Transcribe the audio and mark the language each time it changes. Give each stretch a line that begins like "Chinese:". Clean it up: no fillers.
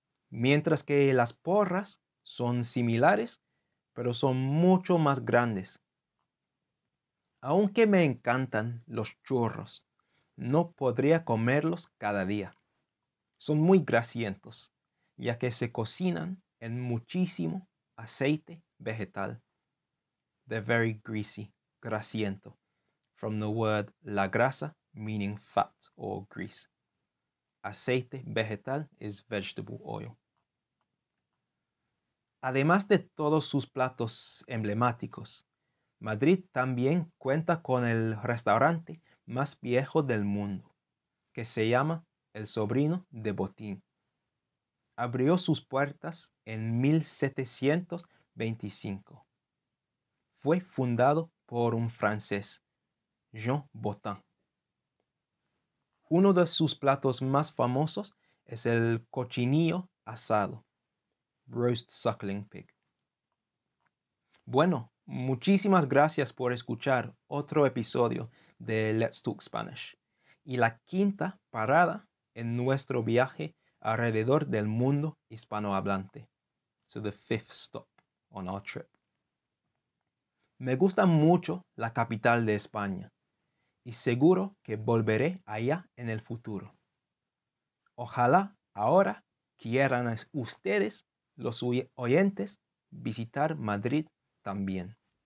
Spanish: Mientras que las porras son similares, pero son mucho más grandes. Aunque me encantan los churros, no podría comerlos cada día. Son muy grasientos, ya que se cocinan en muchísimo aceite vegetal.
English: They're very greasy, grasiento, from the word la grasa, meaning fat or grease. Aceite vegetal is vegetable oil.
Spanish: Además de todos sus platos emblemáticos, Madrid también cuenta con el restaurante más viejo del mundo, que se llama El Sobrino de Botín. abrió sus puertas en 1725. Fue fundado por un francés, Jean Botin. Uno de sus platos más famosos es el cochinillo asado,
English: roast suckling pig.
Spanish: Bueno, muchísimas gracias por escuchar otro episodio de Let's Talk Spanish y la quinta parada en nuestro viaje alrededor del mundo hispanohablante.
English: So the fifth stop on our trip.
Spanish: Me gusta mucho la capital de España y seguro que volveré allá en el futuro. Ojalá ahora quieran ustedes, los oyentes, visitar Madrid también.